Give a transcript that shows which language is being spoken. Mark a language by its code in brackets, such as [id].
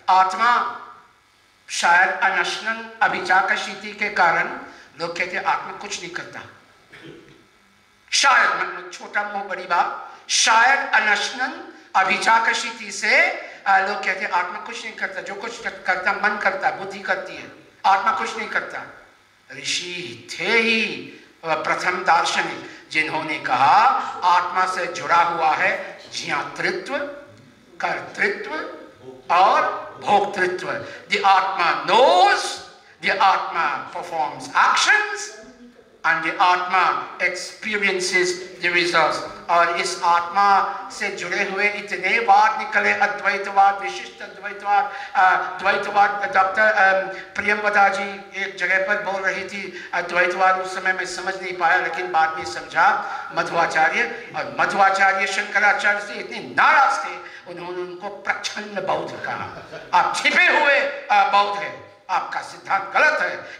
[hi] आत्मा शायद अनशनन अभिचाकशीति के कारण लोग कहते हैं आत्मा कुछ नहीं करता, शायद छोटा मुंह बड़ी बात, शायद अनशनन अभिचाकशीति से लोग कहते हैं आत्मा कुछ नहीं करता, जो कुछ करता मन करता बुद्धि करती है, आत्मा कुछ नहीं करता। ऋषि थे ही प्रथम दार्शनिक जिन्होंने कहा आत्मा से जुड़ा हुआ है ज्ञातृत्व कर्तृत्व और भोक्तृत्व। [en] The आत्मा knows, the आत्मा performs actions and the आत्मा experiences the results। [hi] और इस आत्मा से जुड़े हुए इतने वाद निकले, अद्वैतवाद, विशिष्ट अद्वैतवाद, द्वैतवाद। डॉक्टर प्रियंवदा जी एक जगह पर बोल रही थी अद्वैतवाद, उस समय मैं समझ नहीं पाया लेकिन बाद में समझा मध्वाचार्य, और मध्वाचार्य शंकराचार्य से इतने नाराज थे उन्होंने उनको प्रचंड बौद्ध कहा, आप छिपे हुए बौद्ध है, आपका सिद्धांत गलत है।